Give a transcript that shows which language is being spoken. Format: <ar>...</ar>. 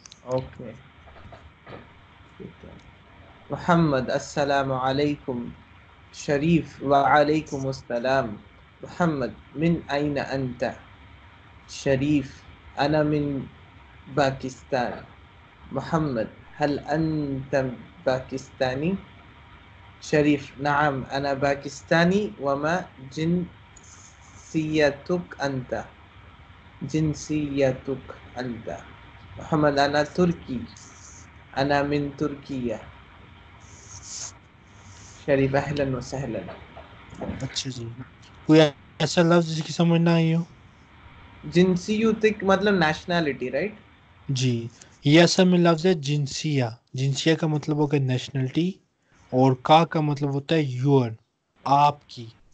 <hi>Okay ठीक मोहम्मद, अस्सलामु अलैकुम शरीफ, व अलैकुम अस्सलाम محمد،</hi> <ar>من أين أنت؟ شريف، أنا من باكستان. محمد، هل أنت باكستاني؟ شريف، نعم، أنا باكستاني. وما جنسيتك أنت؟ جنسيتك أنت؟ محمد، أنا تركي، أنا من تركيا. شريف، أهلا وسهلا.</ar> <hi>अच्छा जी, कोई ऐसा लफ्ज जिसकी समझ ना आई हो? जिनसी यू थिंक मतलब नेशनैलिटी, राइट? जी, ये असल में लफ्ज है जिंसिया। जिंसिया का मतलब होगा नेशनलिटी, और का मतलब होता है योर, आपकी।</hi>